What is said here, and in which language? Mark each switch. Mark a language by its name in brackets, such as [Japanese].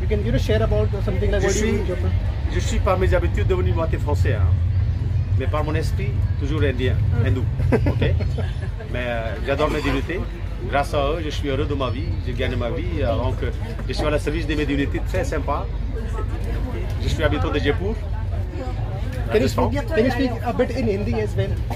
[English] You can share about something like what you do in Jaipur. [French] Je suis par mes habitudes devenu moitié français, hein. Mais par mon esprit, toujours indien, hindou. Ok. Mais j'adore mes divinités. Grâce à eux, je suis heureux de ma vie, j'ai gagné ma vie. Donc, je suis à la service des médiunités, très sympa. Je suis habitant de Jaipur. [English] Can you speak a bit in Hindi as well?